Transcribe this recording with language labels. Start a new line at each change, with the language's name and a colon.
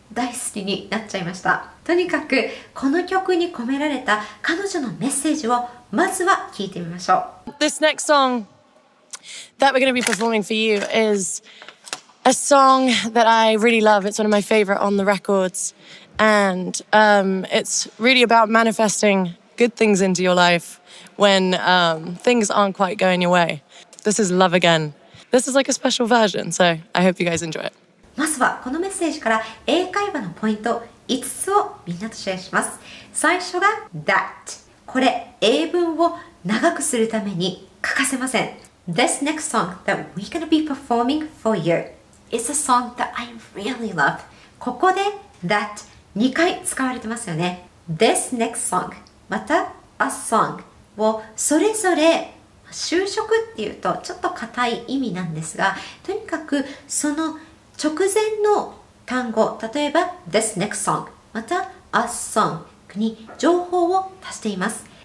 Japanese: 大好きになっちゃいました。とにかく、この曲に込められた彼女のメッセージをまずは聞いてみましょう。
English: This next song that we're going to be performing for you is a song that I really love. It's one of my favorite on the records. And、it's really about manifesting good things into your life when、things aren't quite going your way. This is Love Again. This is like a special version, so I hope you guys enjoy it.
Japanese: まずはこのメッセージから英会話のポイント5つをみんなとシェアします。最初が That、 これ英文を長くするために欠かせません。
English: This next song that we're gonna be performing for you is a song that I really love。
Japanese: ここで That 2回使われてますよね。
English: This next song
Japanese: また A song をそれぞれ就職っていうとちょっと硬い意味なんですが、とにかくその直前の単語、例えば This next song また A song に情報を足しています。